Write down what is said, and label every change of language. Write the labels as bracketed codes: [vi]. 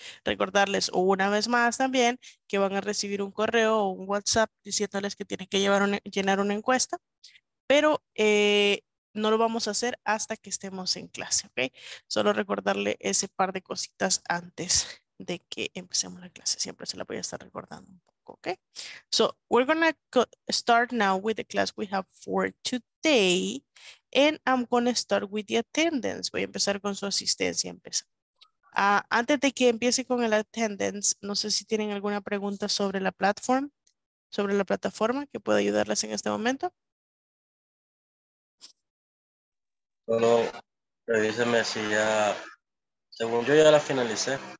[es] Recordarles una vez más también que van a recibir un correo o un WhatsApp diciéndoles que tienen que llenar una encuesta, pero no lo vamos a hacer hasta que estemos en clase, ¿ok? Solo recordarle ese par de cositas antes de que empecemos la clase. Siempre se la voy a estar recordando un poco, ¿ok? [en] So, we're gonna start now with the class we have for today. And I'm gonna start with the attendance. [es] Voy a empezar con su asistencia. Antes de que empiece con el attendance, no sé si tienen alguna pregunta sobre la platform, sobre la plataforma que pueda ayudarles en este momento. Solo revíseme si ya, según yo ya la finalicé.